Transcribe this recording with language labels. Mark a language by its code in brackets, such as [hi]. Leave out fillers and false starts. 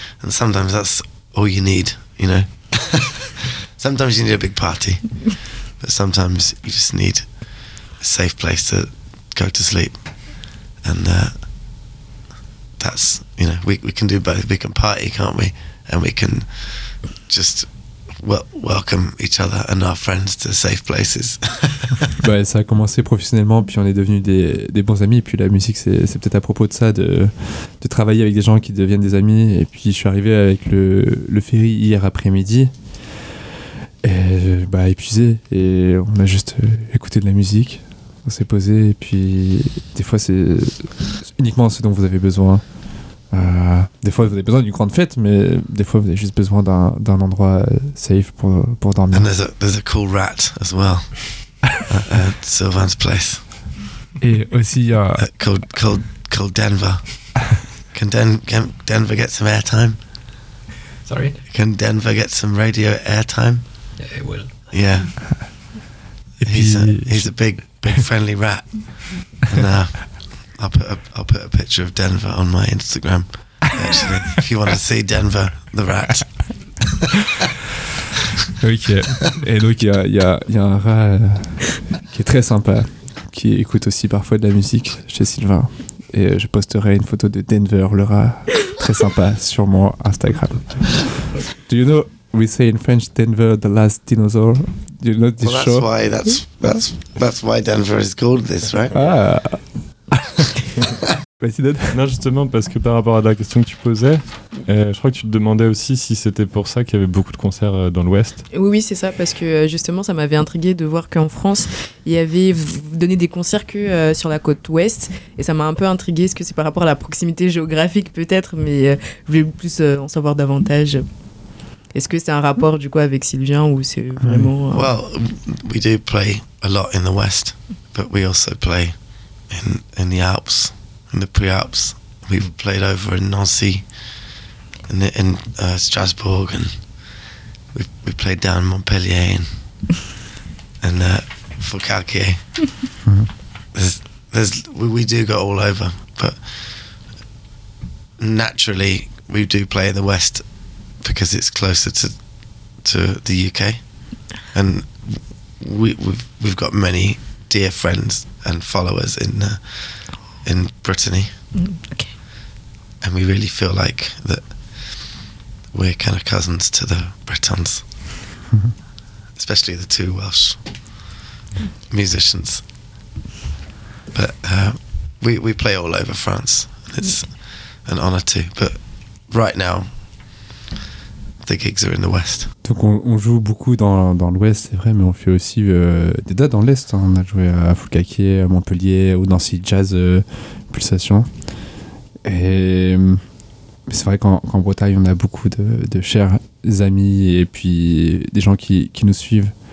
[en] And sometimes that's all you need, you know. Sometimes you need a big party, but sometimes you just need a safe place to go to sleep. And that's, you know, we can do both. We can party, can't we? And we can just welcome each other and our friends to safe places. [fr] Bah, ça a commencé professionnellement, puis on est devenus des bons amis. Puis la musique, c'est peut-être à propos de ça, de travailler avec des gens qui deviennent des amis. Et puis je suis arrivé avec le ferry hier après-midi, bah, épuisé. Et on a juste écouté de la musique, on s'est posé. Et puis des fois, c'est uniquement ce dont vous avez besoin. Des fois, vous avez besoin d'une grande fête, mais des fois, vous avez juste besoin d'un endroit safe pour dormir. [en] And there's a cool rat as well at Sylvain's place. [fr] Et aussi, il y a [en] called Denver. Can Denver get some airtime? Sorry. Can Denver get some radio airtime? Yeah, it will. Yeah. He's a big friendly rat. No. I'll put a picture of Denver on my Instagram, actually, if you want to see Denver the rat. [fr] Ok, et donc il y a un rat qui est très sympa, qui écoute aussi parfois de la musique chez Sylvain, et je posterai une photo de Denver le rat très sympa sur mon Instagram. [en] Do you know we say in French Denver the last dinosaur? Do you know this well, show? Well, that's why Denver is called this, right? Ah. [fr] Non, justement, parce que par rapport à la question que tu posais, je crois que tu te demandais aussi si c'était pour ça qu'il y avait beaucoup de concerts dans l'Ouest. Oui, c'est ça, parce que justement, ça m'avait intrigué de voir qu'en France, il y avait donné des concerts que sur la côte Ouest, et ça m'a un peu intrigué, est-ce que c'est par rapport à la proximité géographique peut-être, mais je voulais plus en savoir davantage. Est-ce que c'est un rapport du coup avec Sylvain ou c'est vraiment... [en] Well, we do play a lot in the West, but we also play in the Alps. In the pre-Alps, we've played over in Nancy, in Strasbourg, and we played down in Montpellier and Forcalquier. We do go all over, but naturally we do play in the West because it's closer to the UK, and we've got many dear friends and followers in Brittany. Okay. And we really feel like that we're kind of cousins to the Bretons. Especially the two Welsh musicians. But we play all over France. It's an honor to. But right now the gigs are in the West. [fr] Donc on joue beaucoup dans l'Ouest, c'est vrai, mais on fait aussi des dates dans l'Est. Hein. On a joué à Fouquet, à Montpellier, au Nancy Jazz Pulsation. Et c'est vrai qu'en Bretagne, on a beaucoup de chers amis et puis des gens qui nous suivent.